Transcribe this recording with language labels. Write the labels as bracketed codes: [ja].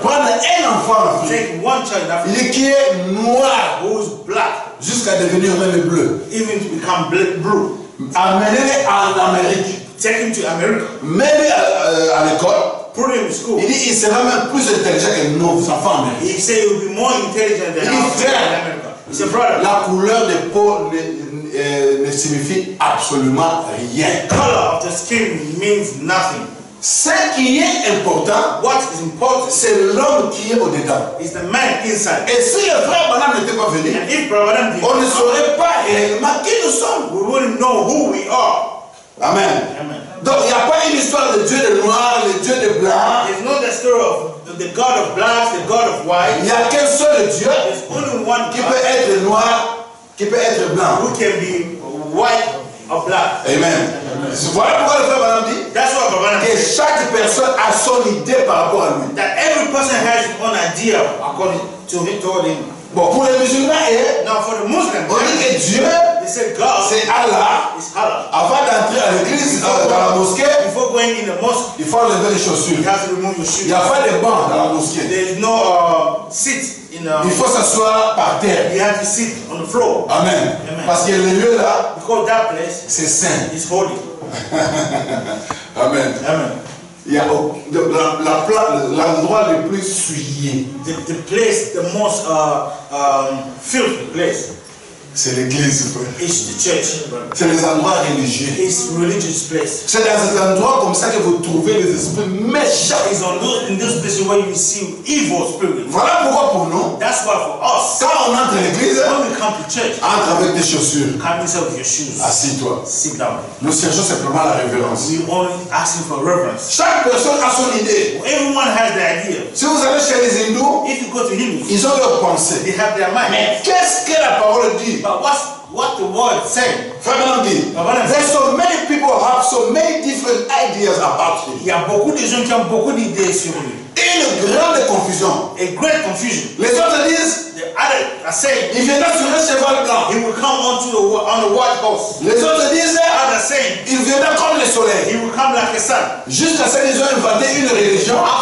[fr] Prendre un enfant en Afrique. [en] Take one child in Africa. [fr] Il dit qui est noir. [en] Who is black. [fr] Jusqu'à devenir même bleu. [en] Even to become blue. [fr] Amener en Amérique. [en] Take him to America. [fr] Mener à l'école. [en] Put him in school. [fr] Il dit il sera même plus intelligent que nos enfants. [en] He said he will be more intelligent than our children in America. It's a brother. [fr] La couleur de peau ne signifie absolument rien. [en] The color of the skin means nothing. [fr] Ce qui est important, [en] what is important, [fr] c'est l'homme qui est au-dedans. [en] It's the man inside. [fr] Et si le frère Branham n'était pas venu, [en] and if Brother Branham didn't [fr] on ne saurait pas réellement qui nous sommes. [en] We wouldn't know who we are. [fr] Amen. [en] Amen. [fr] Donc, il n'y a pas une histoire de Dieu de noir, de Dieu de blanc. [en] It's not the story of the God of black, the God of white. [fr] Il n'y a qu'un seul Dieu. [en] There's only one [fr] qui peut être noir, qui peut être blanc. [en] Who can be white or black? [fr] Amen. Amen. Voilà pourquoi le frère Branham dit. [en] That's what Branham [fr] dit. Que chaque personne a son idée par rapport à lui. [en] That every person has his own idea according to him, told him. [fr] Bon, pour les musulmans, eh? [en] Now for the Muslims, [fr] on dit que Dieu, [en] they said God, [fr] c'est Allah. [en] Is Allah. [fr] Avant d'entrer à l'église, dans la mosquée, [en] before going in the mosque, [fr] il faut enlever les chaussures. [en] You have to remove your shoes. [fr] Il n'y a pas de banc dans la mosquée. [en] There is no seat in the. [fr] Il faut s'asseoir par terre. [en] You have to sit on the floor. [fr] Amen. [en] Amen. [fr] Parce que le lieu là, [en] because that place, [fr] c'est saint. [en] It's holy. [fr] Amen. [en] Amen. [fr] L'endroit le plus souillé. [en] The place, the most filthy place. [fr] C'est l'église. [en] It's the church. [fr] C'est les endroits religieux. [en] It's religious place. [fr] C'est dans cet endroit comme ça que vous trouvez les esprits méchants. [en] It's on those, in this place where you see evil spirits. [fr] Voilà pourquoi pour nous. [en] That's why for us. [fr] Quand on entre l'église, [en] when we come to church, [fr] entre avec des chaussures. [en] Come yourself with your shoes. [fr] Assieds-toi. [en] Sit down. [fr] Nous cherchons simplement la révérence. [en] We only asking for reverence. [fr] Chaque personne a son idée. [en] Everyone has their idea. [fr] Si vous allez chez les hindous, [en] if you go to Hindus, [fr] ils ont leurs pensées. [en] They have their mind. [fr] Mais qu'est-ce que la parole dit? [en] But what the word said? [fr] Frère Branham dit, [en] there's so many people have so many different ideas about him. [fr] Il y a beaucoup de gens qui ont beaucoup d'idées sur lui. Une grande confusion. [en] A great confusion. [fr] Les autres disent, [en] the others are saying, [fr] il viendra sur un cheval blanc. [en] He will come on the white horse. [fr] Les autres disent, [en] others saying, [fr] il viendra comme le soleil. [en] He will come like a sun. [fr] Jusqu'à ce qu'ils ont inventé une religion.